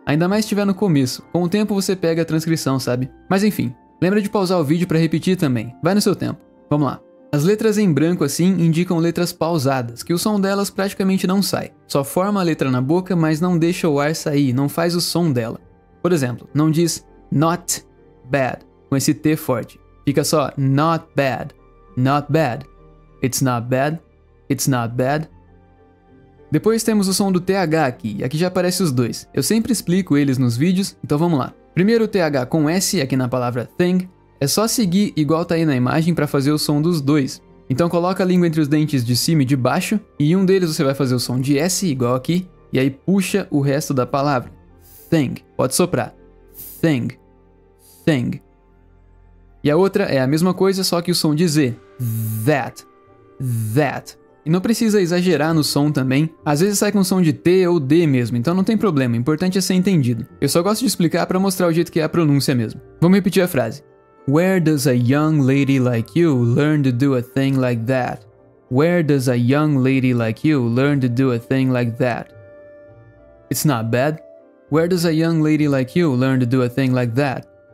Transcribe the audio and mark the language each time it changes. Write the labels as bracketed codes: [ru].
[pt] Ainda mais se estiver no começo. Com o tempo você pega a transcrição, sabe? Mas enfim, lembra de pausar o vídeo para repetir também. Vai no seu tempo. Vamos lá. As letras em branco assim indicam letras pausadas, que o som delas praticamente não sai. Só forma a letra na boca, mas não deixa o ar sair, não faz o som dela. Por exemplo, não diz not bad com esse T forte. Fica só [en] not bad, not bad, it's not bad, it's not bad. [pt] Depois temos o som do TH aqui, e aqui já aparece os dois. Eu sempre explico eles nos vídeos, então vamos lá. Primeiro o TH com S aqui na palavra thing. É só seguir igual tá aí na imagem para fazer o som dos dois. Então coloca a língua entre os dentes de cima e de baixo, e em um deles você vai fazer o som de S, igual aqui, e aí puxa o resto da palavra. Thing. Pode soprar. Thing. Thing. E a outra é a mesma coisa, só que o som de Z. That. That. E não precisa exagerar no som também. Às vezes sai com som de T ou D mesmo, então não tem problema. O importante é ser entendido. Eu só gosto de explicar para mostrar o jeito que é a pronúncia mesmo. Vamos repetir a frase. [en] Where does a young lady like you learn to do a thing like that? Where does a young lady like you learn to do a thing like that? It's not bad. Where does a young lady like you learn to do a thing like that?